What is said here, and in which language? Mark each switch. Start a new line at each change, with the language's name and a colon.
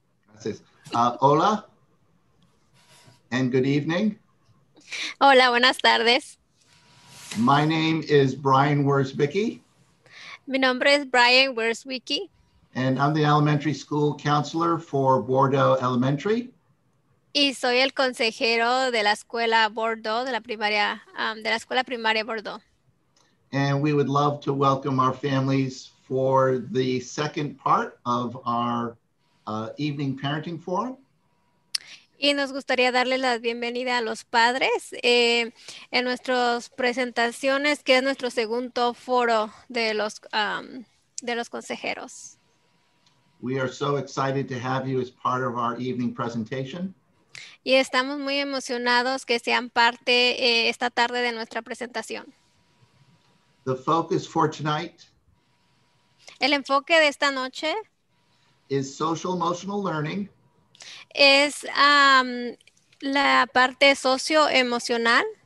Spanish: Gracias. Hola
English: and good evening.
Spanish: Hola, buenas tardes.
English: My name is Brian Wurzbicki.
Spanish: Mi nombre es Brian Wurzbicki.
English: And I'm the elementary school counselor for Bordeaux Elementary.
Spanish: Y soy el consejero de la escuela Bordeaux, de la primaria, de la escuela primaria Bordeaux.
English: And we would love to welcome our families for the second part of our evening parenting forum.
Spanish: Y nos gustaría darle la bienvenida a los padres en nuestras presentaciones, que es nuestro segundo foro de los consejeros.
English: We are so excited to have you as part of our evening presentation.
Spanish: Y estamos muy emocionados que sean parte esta tarde de nuestra presentación.
English: The focus for tonight.
Spanish: El enfoque de esta noche.
English: Is social emotional learning.
Spanish: Es la parte socioemocional.